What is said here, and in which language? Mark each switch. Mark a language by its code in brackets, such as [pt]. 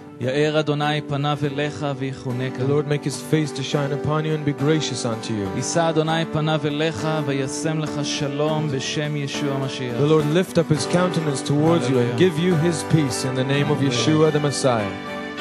[he] יאר אדוני פניו אליך ויחונק. [en] Lord make his face to shine upon you and be gracious unto you. [he] ישא אדוני פניו אליך וישם לך שלום בשם ישוע המשיח. [en] The Lord lift up his countenance towards you and give you his peace in the name of Yeshua the Messiah.